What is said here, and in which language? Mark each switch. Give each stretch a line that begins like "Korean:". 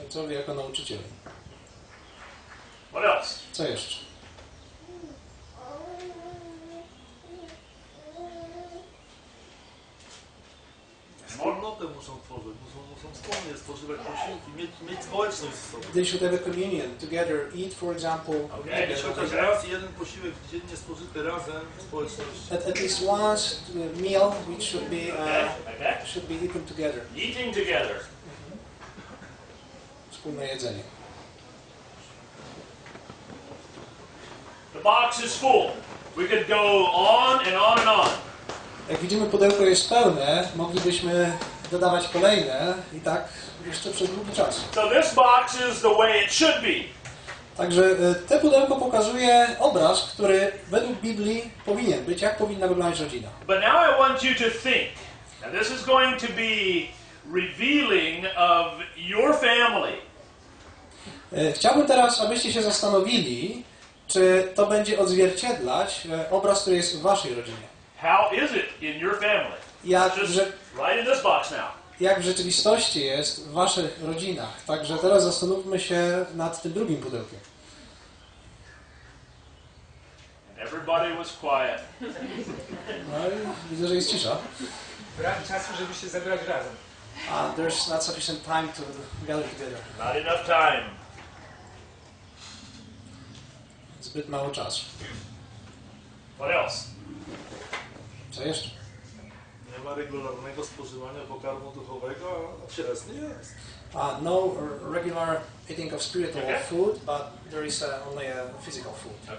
Polish: Ojcowie jako nauczyciele.
English: What else?
Polish: Co jeszcze? Wspólnotę muszą tworzyć, muszą wspólnie spożywać posiłki, mieć społeczność ze sobą.
English: They should have a communion together, eat for example. Okay,
Polish: mieć chociaż raz jeden posiłek dziennie spożyty razem w społeczności.
English: At least once meal which should be should be eaten together. Eating together.
Polish: Mm-hmm. Wspólne jedzenie.
English: The box is full. We could go on and on and on.
Polish: Jak widzimy, pudełko jest pełne, moglibyśmy dodawać kolejne i tak jeszcze przez długi czas.
English: So this box is the way it should be.
Polish: Także te pudełko pokazuje obraz, który według Biblii powinien być, jak powinna wyglądać rodzina.
English: But now I want you to think, and this is going to be revealing of your family.
Polish: Chciałbym teraz, abyście się zastanowili, czy to będzie odzwierciedlać obraz, który jest w waszej rodzinie.
English: How is it in your family? Right in this box now.
Polish: Jak w rzeczywistości jest w waszych rodzinach? Także teraz zastanówmy się nad tym drugim pudełkiem.
English: And everybody was quiet.
Polish: No i widzę, że jest cisza. Brak czasu, żeby się zebrać razem.
English: There's not sufficient time to gather together. Not enough time.
Polish: Zbyt mało czasu.
English: What else?
Polish: Co jeszcze? Nie ma regularnego spożywania pokarmu duchowego, a cielesny jest.
English: No regular eating of spiritual okay. food, but there is only a physical food.